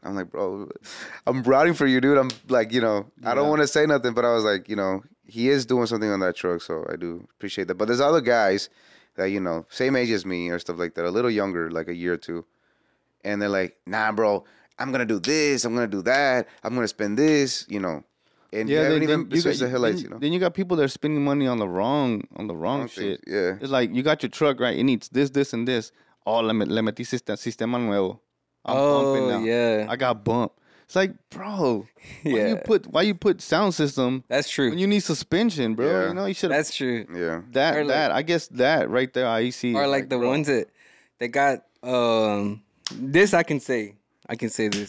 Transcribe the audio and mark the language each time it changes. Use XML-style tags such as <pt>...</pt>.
<en>I'm like, bro, I'm rooting for you, dude. I'm like, you know, I don't want to say nothing, but I was like, you know, he is doing something on that truck, so I do appreciate that. But there's other guys that, you know, same age as me or stuff like that, a little younger, like a year or two, and they're like, nah, bro, I'm going to do this. I'm going to do that. I'm going to spend this, you know. And yeah, then you got people that are spending money on the wrong shit. Things, yeah. It's like you got your truck, right? It needs this, this, and this.</en> <es>Oh, le metí sistema nuevo.</es> <en>I'm bumping now. I got bump. It's like, bro, why you put sound system? That's true. When you need suspension, bro. Yeah. You know, you should. That's true. Yeah. I guess that right there, I see. Or like the bro. Ones that they got. This I can say. I can say this.</en>